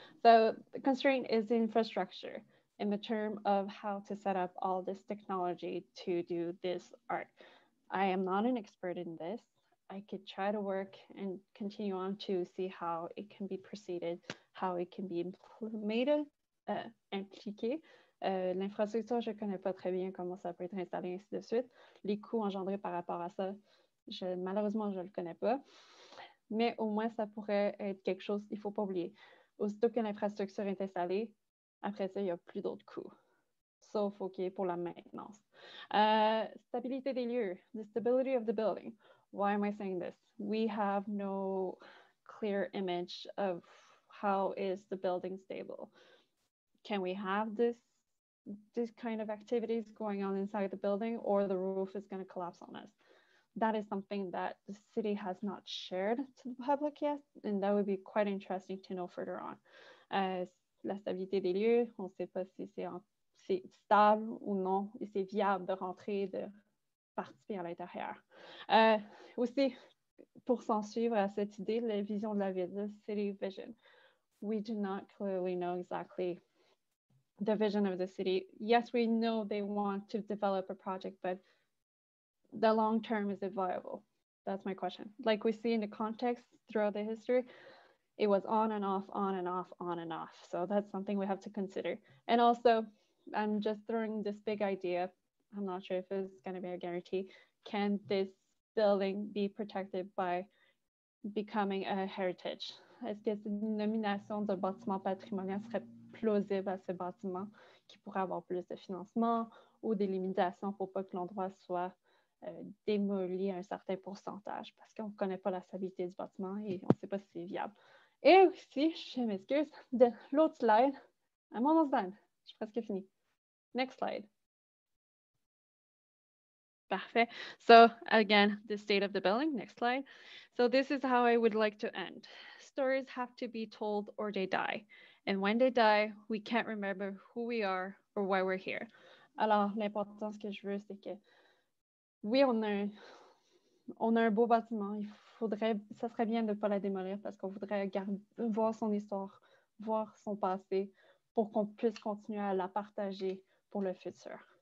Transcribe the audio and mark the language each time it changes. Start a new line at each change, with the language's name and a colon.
English: So the constraint is the infrastructure in the term of how to set up all this technology to do this art. I am not an expert in this. I could try to work and continue on to see how it can be proceeded, how it can be implemented, impliqued.
French: L'infrastructure, je ne connais pas très bien comment ça peut être installé, ainsi de suite. Les coûts engendrés par rapport à ça, malheureusement, je ne le connais pas. Mais au moins, ça pourrait être quelque chose qu'il ne faut pas oublier. Aussitôt que l'infrastructure est installée, après ça, il n'y a plus d'autres coûts. Sauf OK pour la maintenance. Stabilité des lieux.
English: The stability of the building. Why am I saying this? We have no clear image of how is the building stable. Can we have this kind of activities going on inside the building, or the roof is going to collapse on us? That is something that the city has not shared to the public yet, and that would be quite interesting to know further on.
French: La stabilité des lieux, on ne sait pas si c'est stable ou non, et c'est viable de rentrer, de participer à l'intérieur. Aussi, pour s'en suivre à cette idée, la vision de la ville,
English: the city vision. We do not clearly know exactly the vision of the city. Yes, we know they want to develop a project, but the long term, is it viable? That's my question. Like we see in the context throughout the history, it was on and off, on and off, on and off. So that's something we have to consider. And also, I'm just throwing this big idea. I'm not sure if it's going to be a guarantee. Can this building be protected by becoming a heritage?
French: Est-ce que cette nomination de bâtiment patrimonial serait plausible à ce bâtiment qui pourrait avoir plus de financement ou des limitations pour pas que l'endroit soit démoli à un certain pourcentage, parce qu'on ne connaît pas la stabilité du bâtiment et on ne sait pas si c'est viable. Et aussi, je m'excuse, de l'autre slide,
English: I'm almost done,
French: je suis presque finie.
English: Next slide. Perfect. So again, the state of the building. Next slide. So this is how I would like to end. Stories have to be told or they die. And when they die, we can't remember who we are or why we're here.
French: Alors, l'importance que je veux, c'est que oui, on a un beau bâtiment. Il faudrait, ça serait bien de ne pas la démolir parce qu'on voudrait voir son histoire, voir son passé pour qu'on puisse continuer à la partager pour le futur.